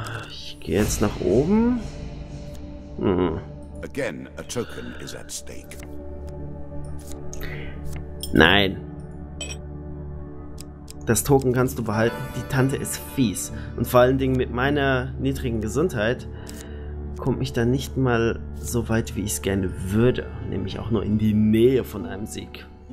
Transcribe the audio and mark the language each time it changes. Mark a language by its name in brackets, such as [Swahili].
[German] Ich gehe jetzt nach oben. [English] Again, a token is at stake. [German] Nein. Das Token kannst du behalten. Die Tante ist fies. Und vor allen Dingen mit meiner niedrigen Gesundheit komme ich da nicht mal so weit, wie ich es gerne würde. Nämlich auch nur in die Nähe von einem Sieg.